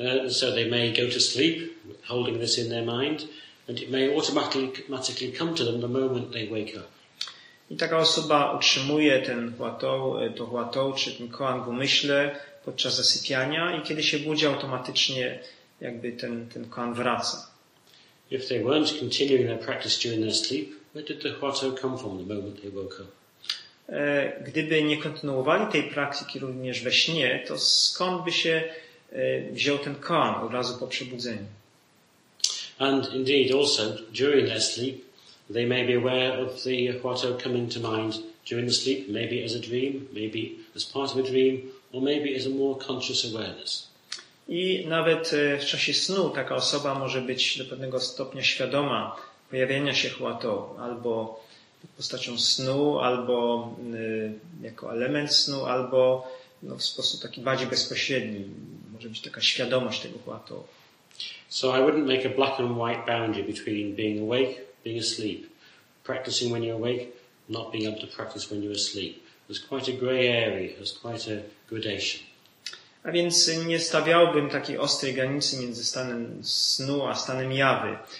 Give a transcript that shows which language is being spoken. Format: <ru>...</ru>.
<en>So they may go to sleep holding this in their mind and it may automatically come to them the moment they wake up.</en> <pl>I taka osoba utrzymuje ten huatą czy ten koan w umyśle podczas zasypiania i kiedy się budzi, automatycznie jakby ten koan wraca.</pl> <en>If they weren't continuing their practice during their sleep, where did the huatou come from the moment they woke up?</en> <pl>Gdyby nie kontynuowali tej praktyki również we śnie, to skąd by się wziął ten koan od razu po przebudzeniu?</pl> <en>And indeed also during their sleep they may be aware of the huatou coming to mind during the sleep, maybe as a dream, maybe as part of a dream or maybe is a more conscious awareness.</en> <pl>I nawet w czasie snu taka osoba może być do pewnego stopnia świadoma pojawienia się chłato, albo postacią snu, albo jako element snu, albo no, w sposób taki bardziej bezpośredni. Może być taka świadomość tego chłato.</pl> <en>So I wouldn't make a black and white boundary between being awake, being asleep. Practicing when you're awake, not being able to practice when you're asleep. There's quite a grey area, there's quite a gradation.</en> <pl>A więc nie stawiałbym takiej ostrej granicy między stanem snu a stanem jawy.</pl>